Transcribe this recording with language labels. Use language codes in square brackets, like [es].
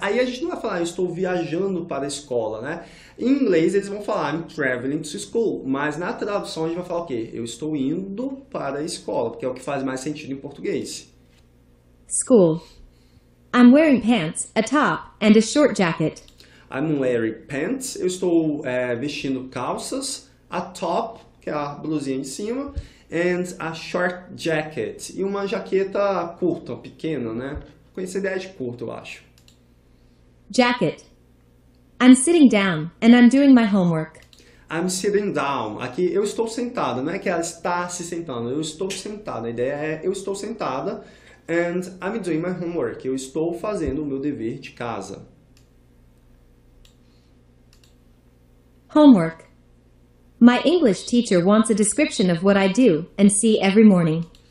[pt] Aí a gente não vai falar, eu estou viajando para a escola, né? Em inglês eles vão falar, [en] I'm traveling to school. [pt] Mas na tradução a gente vai falar o quê? Eu estou indo para a escola, porque é o que faz mais sentido em português. [en] School. I'm wearing pants, a top, and a short jacket. I'm wearing pants. [pt] Eu estou vestindo calças, a top, que é a blusinha de cima, [en] and a short jacket. [pt] E uma jaqueta curta, pequena, né? Com essa ideia de curto, eu acho. [en] Jacket. I'm sitting down, and I'm doing my homework. I'm sitting down. [pt] Aqui, eu estou sentado. Não é que ela está se sentando. Eu estou sentado. A ideia é, eu estou sentada. [en] And I'm doing my homework. [pt] Eu estou fazendo o meu dever de casa. [en] Homework. My English teacher wants a description of what I do and see every morning.